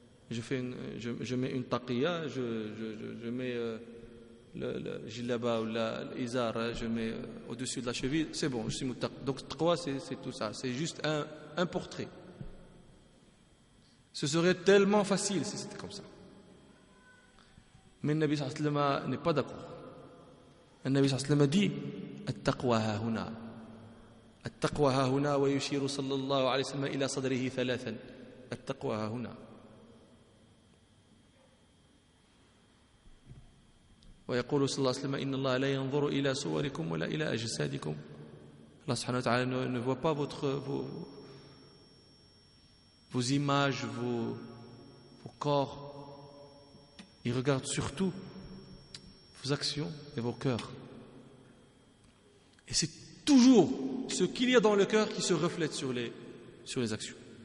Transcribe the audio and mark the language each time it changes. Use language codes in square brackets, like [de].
[fr] Je mets une taqiya, je mets le jilaba ou l'izar, je mets au-dessus de la cheville, c'est bon, je suis muttaqi. Donc taqwa, c'est tout ça, c'est juste un portrait. Ce serait tellement facile si c'était comme ça. Mais le Nabi sallallahu alayhi wa sallam n'est pas d'accord. Le Nabi sallallahu alayhi wa sallam dit « [ar] At-taqwa ha-huna ». التقوى ها هنا ويشير صلى الله عليه وسلم إلى صدره ثلاثا. التقوى ها هنا ويقول صلى الله عليه وسلم إن الله لا ينظر إلى صوركم ولا إلى أجسادكم. [fr] الله سبحانه وتعالى ne voit pas vos images, vos corps. Il regarde surtout vos actions et vos cœurs. Et c'est toujours ce qu'il y a dans le cœur qui se reflète sur les actions.